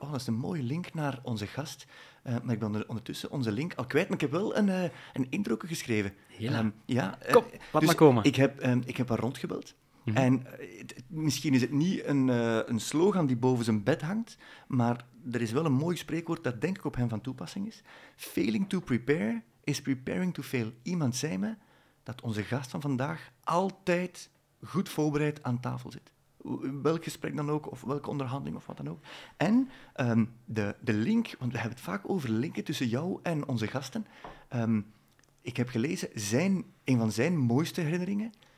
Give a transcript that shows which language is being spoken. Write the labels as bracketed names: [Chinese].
[Dutch] dat is een mooie link naar onze gast... maar ik ben ondertussen onze link al kwijt, maar ik heb wel een intro geschreven. Kom, laat maar komen. Ik heb haar rondgebeld. Mm-hmm. En misschien is het niet een slogan die boven zijn bed hangt, maar er is wel een mooi spreekwoord dat denk ik op hem van toepassing is. [English] Failing to prepare is preparing to fail. [Dutch] Iemand zei me dat onze gast van vandaag altijd goed voorbereid aan tafel zit. Welk gesprek dan ook, of welke onderhandeling, of wat dan ook. En de link, want we hebben het vaak over linken tussen jou en onze gasten. Ik heb gelezen, een van zijn mooiste herinneringen